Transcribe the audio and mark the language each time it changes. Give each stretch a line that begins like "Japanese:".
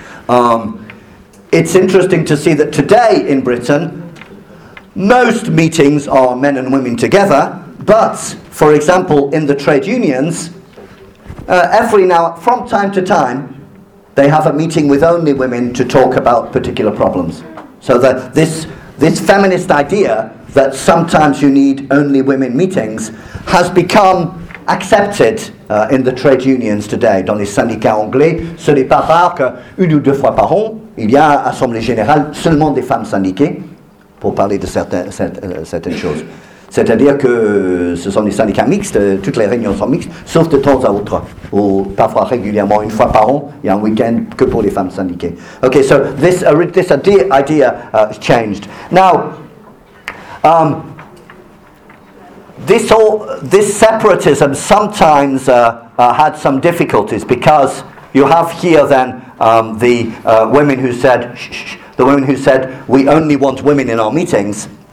English: It's interesting to see that today in Britain, most meetings are men and women together, but, for example, in the trade unions, every now, from time to time, they have a meeting with only women to talk about particular problems. So that this feminist idea that sometimes you need only women meetings has become accepted in the trade unions today,
French: dans les syndicats anglais. Ce n'est pas rare qu'une ou deux fois par an, il y a assemblée générale seulement des femmes syndiquées, pour parler de certaines choses. C'est-à-dire que ce sont des syndicats mixtes, toutes les réunions sont mixtes, sauf de temps à autre, ou parfois régulièrement, une fois par an, il y a un week-end que pour les femmes syndiquées.
English: Ok, so this idea changed. Now, this separatism sometimes had some difficulties, because you have here then the women who said, we only want women in our meetings.